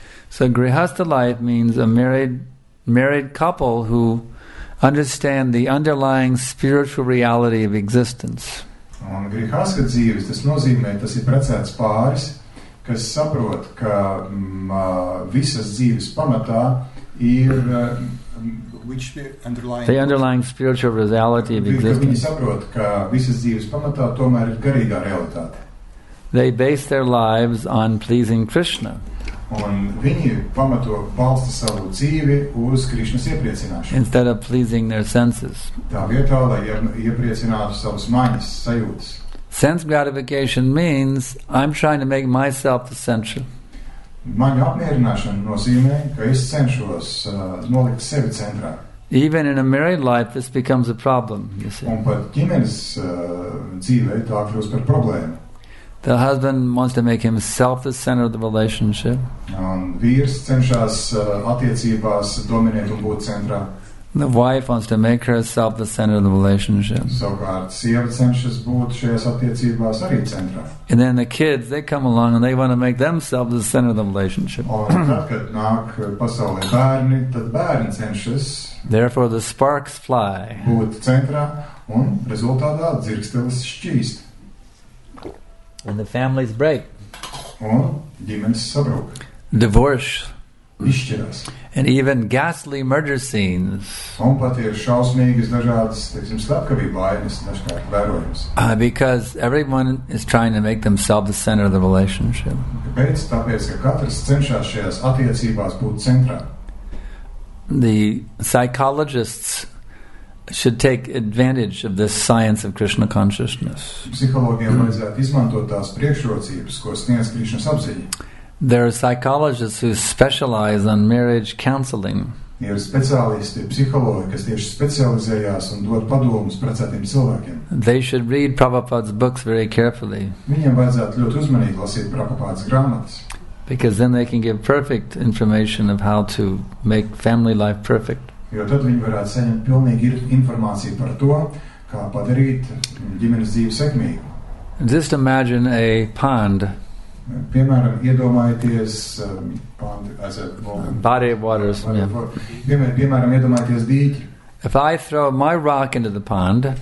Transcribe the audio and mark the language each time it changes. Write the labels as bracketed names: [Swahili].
[English] So grihastha life means a married couple who understand the underlying spiritual reality of existence. [Latvian] Un grihastha dzīves, tas nozīmē, tas ir precēts pāris, kas saprot, ka visas dzīves pamatā ir [English] which underlying the underlying spiritual reality of existence. [Latvian] Viņi saprot, ka visas dzīves pamatā tomēr ir garīgā realitāte. [English] They base their lives on pleasing Krishna. [Latvian] Un viņi pamato balsta savu dzīvi uz Krišnas iepriecināšanu. [English] Instead of pleasing their senses. [Latvian] Tā vietā, lai iepriecinātu savas maņas, sajūtas. [English] Sense gratification means I'm trying to make myself the center. [Latvian] Maņu apmierināšana nozīmē, ka es cenšos nolikt sevi centrā. [English] Even in a married life this becomes a problem, you see. [Latvian] Un pat ģimenes dzīvē tā kļūst par problēmu. [English] The husband wants to make himself the center of the relationship. [Latvian] Vīrs cenšas attiecībās dominēt un būt centrā. [English] The wife wants to make herself the center of the relationship. [Latvian] Savukārt, sieva cenšas būt šajās attiecībās arī centrā. [English] And then the kids, they come along and they want to make themselves the center of the relationship. [Latvian] Tad, kad nāk pasaulē bērni, tad bērni cenšas. [English] Therefore, the sparks fly. [Latvian] Būt centrā un rezultātā dzirksteles šķīst. [English] And the families break. [Latvian] Un ģimenes sabrūk. [English] Divorce. [Latvian] Izšķiras. [English] And even ghastly murder scenes. [Latvian] Un pat ir šausmīgas dažādas, teiksim, slepkavību vainas, dažkārt vērojums. [English] Because everyone is trying to make themselves the center of the relationship. [Latvian] Kāpēc? Tāpēc, ka katrs cenšās šajās attiecībās būt centrā. [English] The psychologists should take advantage of this science of Krishna consciousness. [Latvian] Psihologiem vajadzētu izmantot tās priekšrocības, ko sniedz Krišnas apziņa. [English] There are psychologists who specialize on marriage counseling. [Latvian] Ir speciālisti, psihologi, kas tieši specializējās un dod padomus precētiem cilvēkiem. [English] They should read Prabhupāda's books very carefully. [Latvian] Viņiem vajadzētu ļoti uzmanīgi lasīt Prabhupāda's grāmatas. [English] Because then they can give perfect information of how to make family life perfect. [Latvian] Jo tad viņi varētu saņemt pilnīgi informāciju par to, kā padarīt ģimenes dzīvi sekmīgu. [English] Just imagine a pond. [Latvian] Piemēram, iedomājieties pond, [English] body of water. [Latvian] Piemēram, iedomājieties dīķi. [English] If I throw my rock into the pond,